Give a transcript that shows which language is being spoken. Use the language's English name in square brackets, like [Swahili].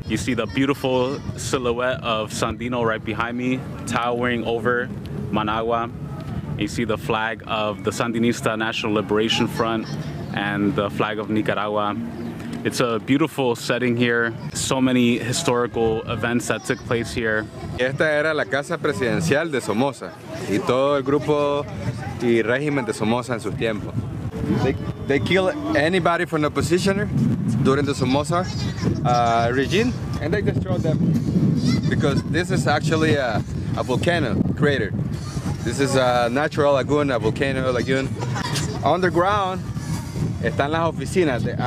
[English] You see the beautiful silhouette of Sandino right behind me, towering over Managua. You see the flag of the Sandinista National Liberation Front and the flag of Nicaragua. It's a beautiful setting here. So many historical events that took place here. [Spanish] Esta era la casa presidencial de Somoza y todo el grupo y régimen de Somoza en sus tiempos. [English] They kill anybody from the opposition during the Somoza regime, and they destroy them because this is actually a volcano crater. This is a natural lagoon, a volcano lagoon. Underground, [Spanish] están las oficinas.